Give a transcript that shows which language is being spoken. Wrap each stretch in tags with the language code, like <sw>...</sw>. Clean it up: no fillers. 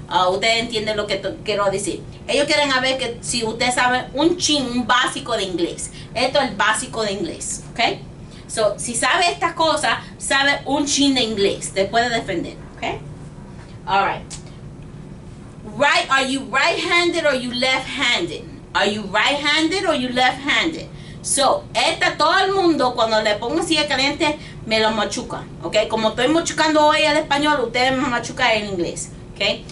<es>Usted entiende lo que quiero decir. Ellos quieren saber que si usted sabe un chin, un básico de inglés. Esto es el básico de inglés, ¿ok? So, si sabe estas cosas, sabe un chin de inglés. Te puede defender, ¿ok?</es> <en>All right. Right, are you right-handed or you left-handed? Are you right-handed or you left-handed?</en> <es>So, esta todo el mundo cuando le pongo silla caliente me lo machuca, ¿ok? Como estoy machucando hoy el español, ustedes me machucan en inglés, ¿ok?</es>